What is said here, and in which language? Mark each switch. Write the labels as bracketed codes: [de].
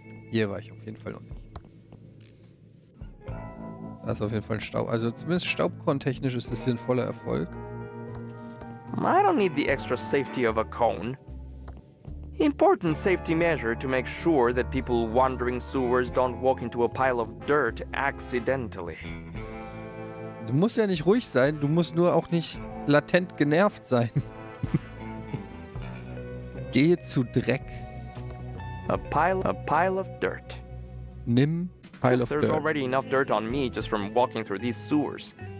[de] Hier war ich auf jeden Fall noch nicht. Das ist auf jeden Fall ein Staub. Also zumindest staubkorntechnisch ist das hier ein voller Erfolg. [en] I don't need the extra safety of a cone. Important safety measure to make sure that people wandering sewers don't walk into a pile of dirt accidentally. [de] Du musst ja nicht ruhig sein, du musst nur auch nicht latent genervt sein. Gehe zu Dreck. [en] A pile of dirt. [de] Nimm [en] pile of dirt. There's already enough dirt on me just from walking through these sewers.